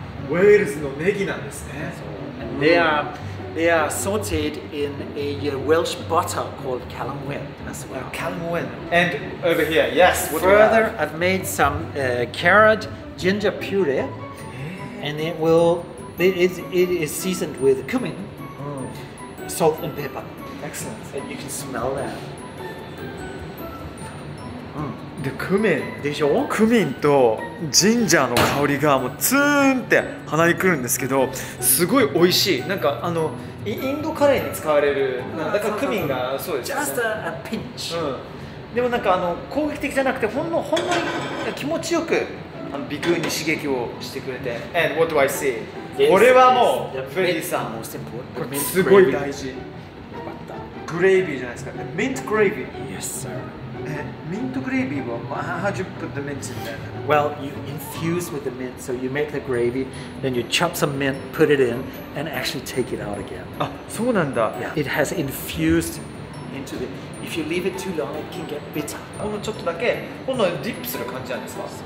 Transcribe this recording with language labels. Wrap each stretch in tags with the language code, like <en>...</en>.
<ja>ウェールズのネギなんですね。</ja> <en>And they are sauteed in a Welsh butter called Calan Wen as well. Calan Wen. And over here, yes, what further, do we have? I've made some carrot ginger puree. Yeah. And it is seasoned with cumin, salt and pepper. Excellent. And you can smell that.</en> <ja>で、クミンでしょ？クミンとジンジャーの香りがもうツーンって鼻にくるんですけど、すごい美味しい。なんかあのインドカレーに使われる、だからクミンがそうです</ja> <en>ね。Just a pinch。</en> <ja>うん。でもなんかあの攻撃的じゃなくて、ほんのり気持ちよく鼻腔に刺激をしてくれて。</ja> <en>And what do I see?</en> <ja>これはもうフレディさん、これすごい大事。よかった。グレイビーじゃないですか。</ja> <en>Mint gravy。 Yes, sir. Mint gravy, how do you put the mint in there? Well, you infuse with the mint, so you make the gravy, then you chop some mint, put it in, and actually take it out again.</en> <ja>あ、そうなんだ。</ja> <en>Yeah. It has infused into the... If you leave it too long, it can get bitter.</en> <ja>ほんのちょっとだけ、ほんのディップする感じなんですか？</ja>